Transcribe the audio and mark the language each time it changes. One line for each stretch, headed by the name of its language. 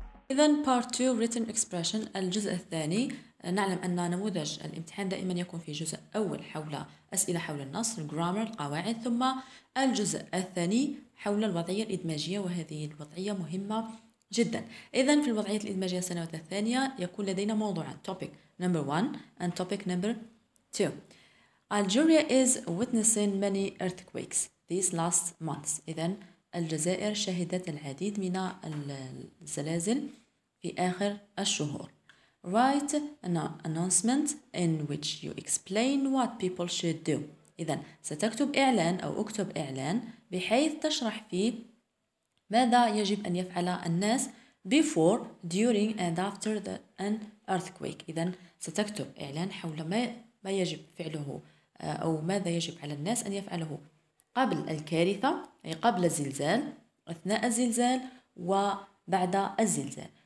Arabic: إذا
English: Part 2 Written Expression
Arabic: الجزء الثاني. نعلم أن نموذج الامتحان دائما يكون في جزء أول حول أسئلة حول النص Grammar القواعد، ثم الجزء الثاني حول الوضعية الإدماجية، وهذه الوضعية مهمة جدا. إذا في الوضعية الإدماجية السنة الثانية يكون لدينا موضوع
English: Topic number 1 and Topic number 2. Algeria is witnessing many earthquakes these last months.
Arabic: إذا الجزائر شهدت العديد من الزلازل في آخر الشهور.
English: Write an announcement in which you explain what people should do.
Arabic: إذا ستكتب إعلان أو أكتب إعلان بحيث تشرح فيه ماذا يجب أن يفعل الناس
English: before, during and after an earthquake.
Arabic: إذا ستكتب إعلان حول ما يجب فعله أو ماذا يجب على الناس أن يفعله قبل الكارثة، أي قبل الزلزال، أثناء الزلزال، وبعد الزلزال.